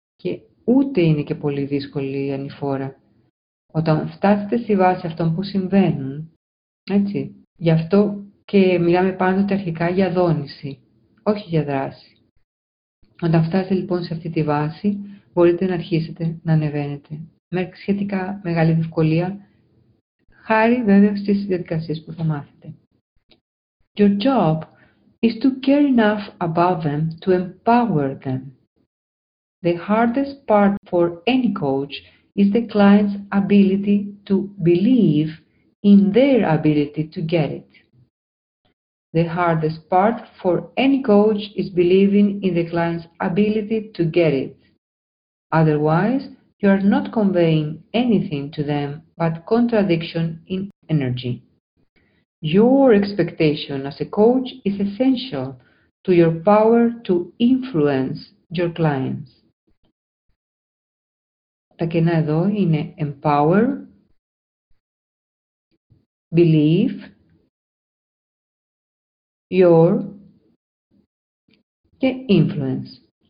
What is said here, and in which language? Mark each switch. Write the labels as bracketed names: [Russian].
[Greek] Και ούτε είναι και πολύ δύσκολη η ανηφόρα. Όταν φτάσετε στη βάση αυτών που συμβαίνουν, έτσι, γι' αυτό και μιλάμε πάντοτε αρχικά για δόνηση, όχι για δράση. Όταν φτάσετε λοιπόν σε αυτή τη βάση, μπορείτε να αρχίσετε να ανεβαίνετε με σχετικά μεγάλη δυσκολία, χάρη βέβαια στις διαδικασίες που θα μάθετε. [English] Your job is to care enough about them to empower them. The hardest part for any coach is the client's ability to believe in their ability to get it. The hardest part for any coach is believing in the client's ability to get it. Otherwise, you are not conveying anything to them but contradiction in energy. Your expectation as a coach is essential to your power to influence your clients. [Greek] Τα κενά εδώ είναι empower, believe, your και influence.